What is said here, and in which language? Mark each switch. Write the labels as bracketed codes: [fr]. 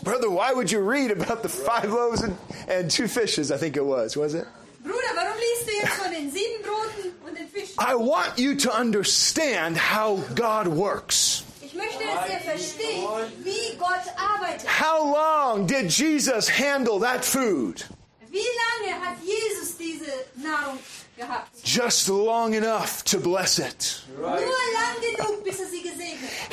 [en] Brother, why would you read about the five loaves and two fishes, I think it was it? [de] Bruder, warum liest du jetzt von den sieben Broten und den Fischen? [en] I want you to understand how God works. [de] Ich möchte, dass ihr versteht, wie Gott arbeitet. [en] How long did Jesus handle that food? [de] Wie lange hat Jesus diese Nahrung gehabt? [en] Just long enough to bless it. Right. [de] Nur lang genug, bis er sie gesegnet hat.